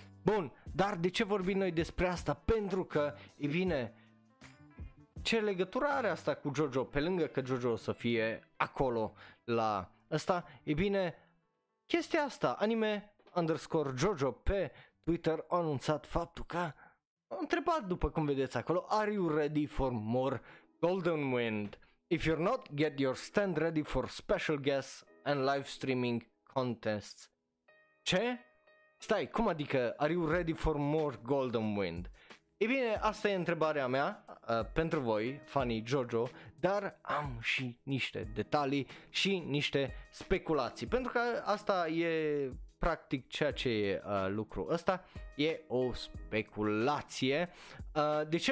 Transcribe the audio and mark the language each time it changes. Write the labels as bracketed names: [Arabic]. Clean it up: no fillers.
[Romanian] Bun, dar de ce vorbim noi despre asta? Pentru că, e bine, ce legătură are asta cu Jojo, pe lângă că Jojo o să fie acolo la ăsta? E bine, chestia asta, Anime _ Jojo pe Twitter a anunțat faptul că a întrebat, după cum vedeți acolo, [English] are you ready for more Golden Wind? If you're not, get your stand ready for special guests and live streaming contests. [Romanian] Ce? Stai, cum adică, [English] are you ready for more Golden Wind? [Romanian] E bine, asta e întrebarea mea pentru voi, fanii Jojo, dar am și niște detalii și niște speculații, pentru că asta e practic ceea ce e lucrul ăsta, e o speculație. De ce?